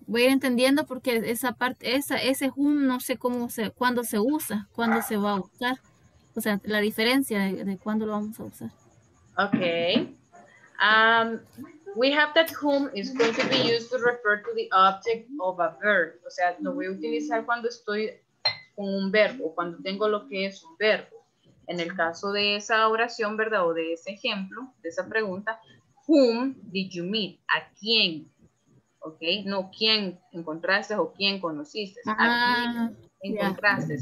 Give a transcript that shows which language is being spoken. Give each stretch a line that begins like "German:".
Spanish: Voy a ir entendiendo porque esa parte, ese whom, no sé cómo cuándo se usa, cuándo se va a usar. O sea, la diferencia de cuándo lo vamos a usar.
English: Okay. We have that whom is going to be used to refer to the object of a verb.
Spanish: O sea, lo voy a utilizar cuando estoy con un verbo, cuando tengo lo que es un verbo. En el caso de esa oración, ¿verdad? O de ese ejemplo, de esa pregunta,
English: whom did you meet?
Spanish: ¿A quién? ¿Ok? No, ¿quién encontraste o quién conociste? ¿A quién encontraste?